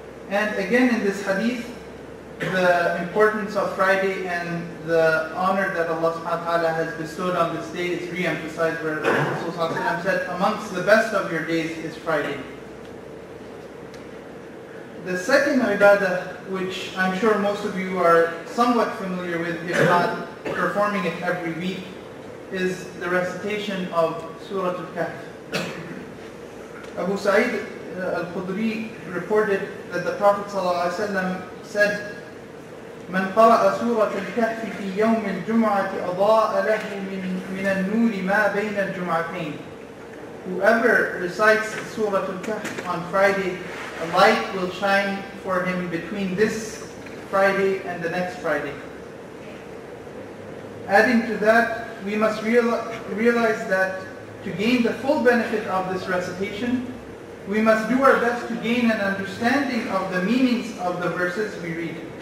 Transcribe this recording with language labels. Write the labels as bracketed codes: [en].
[en] And again in this hadith, the importance of Friday and the honor that Allah subhanahu wa ta'ala has bestowed on this day is re-emphasized, where Rasul said, amongst the best of your days is Friday. The second ibadah, which I'm sure most of you are somewhat familiar with, if not performing it every week, is the recitation of Surah Al-Kahf. Abu Sa'id Al-Khudri reported that the Prophet ﷺ said, [ar] "من قرأ سورة الكهف في يوم الجمعة أضاء له من النور ما بين الجمعتين." [en] Whoever recites Surah Al-Kahf on Friday, a light will shine for him between this Friday and the next Friday. Adding to that, we must realize that to gain the full benefit of this recitation, we must do our best to gain an understanding of the meanings of the verses we read.